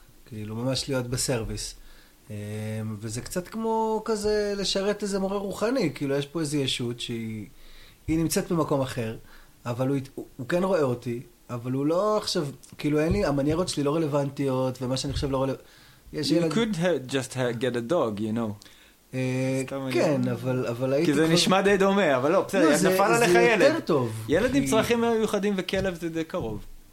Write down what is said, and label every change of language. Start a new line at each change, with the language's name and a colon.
Hebrew: כאילו, ממש להיות בסרוויס. וזה קצת כמו כזה לשרת איזה מורה רוחני. כאילו, יש פה איזו ישות שהיא... היא נמצאת במקום אחר, אבל הוא כן רואה אותי, אבל הוא לא עכשיו, כאילו אין לי, המניירות שלי לא רלוונטיות, ומה שאני חושב לא רלוונטיות.
English: You could just get a dog, you know.
Hebrew: כן, אבל הייתי... כי זה נשמע די דומה, אבל לא, בסדר, נפל עליך ילד. זה יותר טוב. ילד עם צרכים מיוחדים וכלב זה די קרוב.